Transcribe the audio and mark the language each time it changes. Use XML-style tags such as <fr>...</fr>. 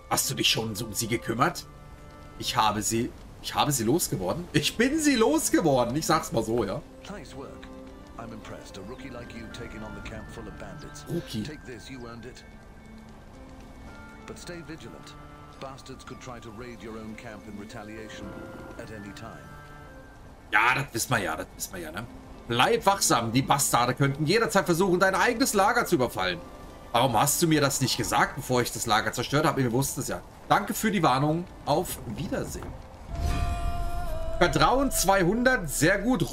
<de>Hast du dich schon um sie gekümmert? Ich habe sie losgeworden. Ich bin sie losgeworden. Ich sag's mal so, ja.</de> <en>I'm impressed. A rookie like you taking on the camp full of bandits. Rookie. Take this, you earned it. But stay vigilant. Bastards could try to raid your own camp in retaliation at any time.</en> <de>Ja, das wissen wir ja, das wissen wir ja, ne? Bleib wachsam, die Bastarde könnten jederzeit versuchen, dein eigenes Lager zu überfallen. Warum hast du mir das nicht gesagt, bevor ich das Lager zerstört habe? Ihr wusstet es ja. Danke für die Warnung. Auf Wiedersehen. Vertrauen 200, sehr gut.</de>